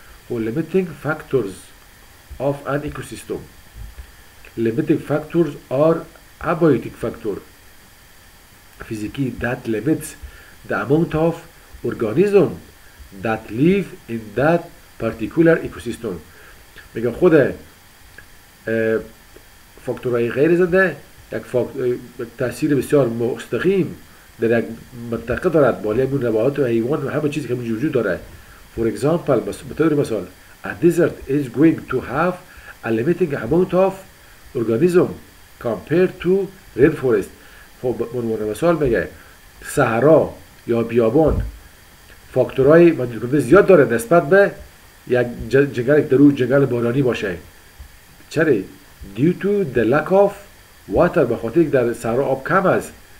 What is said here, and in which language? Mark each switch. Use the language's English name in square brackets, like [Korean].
[English] و limiting factors of an ecosystem limiting factors are abiotic factor فیزیکی that limits the amount of organism that live in that particular ecosystem. [Persian] میگه خود فاکتورهای غیر زنده یک تاثیر بسیار مستقیم در یک منطقه دارد بالای همون نباتات و حیوان و همه چیزی که وجود داره. [English] For example [Persian] به طور مثال [English] a desert is going to have a limiting amount of organism compared to rainforest. [Persian] خب عنوان مثال بگه صحرا یا بیابان فاکتورهای محدود کننده زیاد داره نسبت به یک جنگل درو جنگل بارانی باشه. چرا؟ [English] due to the lack of water [Persian] به خاطر اینکه در صحرا آب کم است.